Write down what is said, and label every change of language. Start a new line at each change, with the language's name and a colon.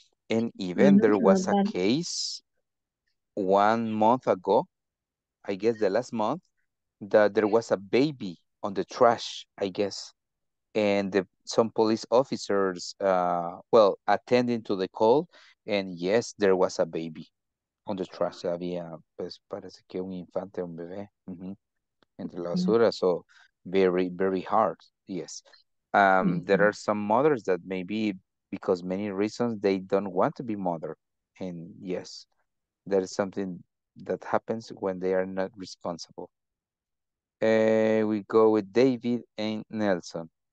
English: And even there was a case 1 month ago, I guess the last month, that there was a baby on the trash, I guess. And some police officers, attending to the call. And yes, there was a baby on the trash.
Spanish: Había, pues, parece que un infante, un bebé, entre la basura.
English: So, very, very hard. Yes. There are some mothers that maybe, because many reasons, they don't want to be mother. And yes, that is something that happens when they are not responsible. We go with David and Nelson.